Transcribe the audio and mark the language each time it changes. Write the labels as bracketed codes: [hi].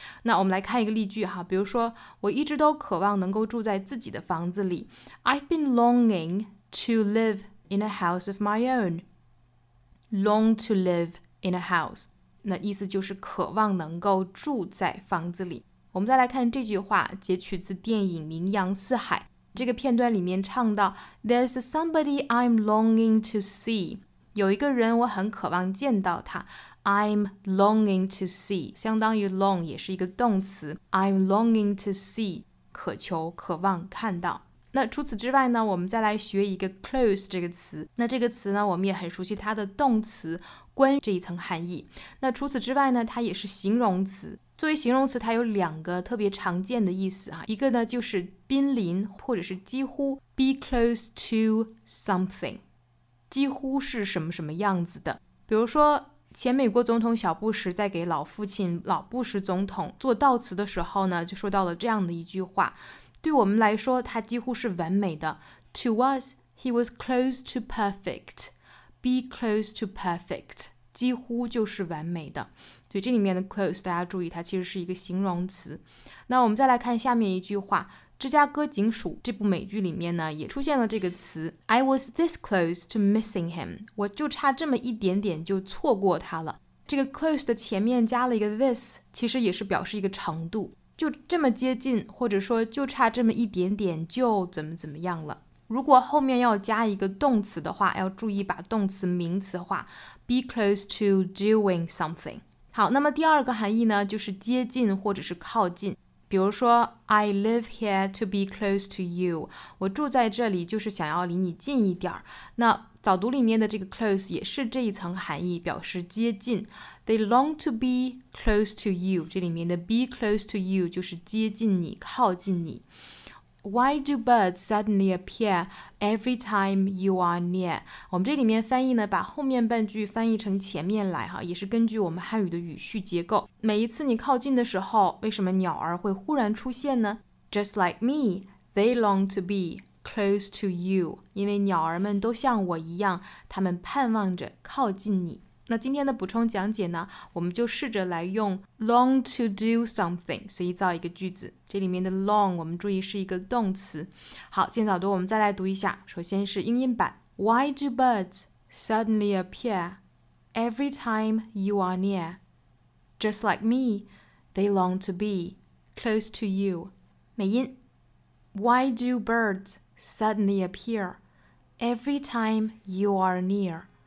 [zh] 那我们来看一个例句哈，比如说我一直都渴望能够住在自己的房子里， [en] I've been longing to live in a house [zh] of my ownlong to live in a house， 那意思就是渴望能够住在房子里。我们再来看这句话，截取自电影《名扬四海》，这个片段里面唱到 [en] There's somebody I'm longing to see， [zh] 有一个人我很渴望见到他。 [en] I'm longing to see [zh] 相当于 long， 也是一个动词， I'm longing to see 渴求渴望看到。那除此之外呢，我们再来学一个 close 这个词。那这个词呢，我们也很熟悉它的动词关这一层含义。那除此之外呢，它也是形容词。作为形容词，它有两个特别常见的意思啊。一个呢就是濒临或者是几乎， [en] be close to something， [zh] 几乎是什么什么样子的。比如说前美国总统小布什在给老父亲老布什总统做悼词的时候呢，就说到了这样的一句话，对我们来说他几乎是完美的。 [en] To us, he was close to perfect. Be close to perfect. [zh] 几乎就是完美的。所以这里面的 close 大家注意，它其实是一个形容词。那我们再来看下面一句话，芝加哥警署这部美剧里面呢也出现了这个词， [en] I was this close to missing him. [zh] 我就差这么一点点就错过他了。这个 close 的前面加了一个 this， 其实也是表示一个程度，就这么接近，或者说就差这么一点点就怎么怎么样了。如果后面要加一个动词的话，要注意把动词名词化， [en] be close to doing something。 [zh] 好，那么第二个含义呢，就是接近或者是靠近。比如说 [en] I live here to be close to you， [zh] 我住在这里就是想要离你近一点。那早读里面的这个 close 也是这一层含义，表示接近。 [en] They long to be close to you， [zh] 这里面的 [en] be close to you [zh] 就是接近你，靠近你。 [en] Why do birds suddenly appear every time you are near？ [zh] 我们这里面翻译呢，把后面半句翻译成前面来哈，也是根据我们汉语的语序结构。每一次你靠近的时候，为什么鸟儿会忽然出现呢？ [en] Just like me, they long to beclose to you， [zh] 因为鸟儿们都像我一样，它们盼望着靠近你。那今天的补充讲解呢，我们就试着来用 [en] long to do something， [zh] 随意造一个句子。这里面的 long 我们注意是一个动词。好，今天早读我们再来读一下，首先是英音版。 [en] Why do birds suddenly appear every time you are near? Just like me, they long to be close to you. [zh] 美音。 [en] Why do birds suddenly appear every time you are near?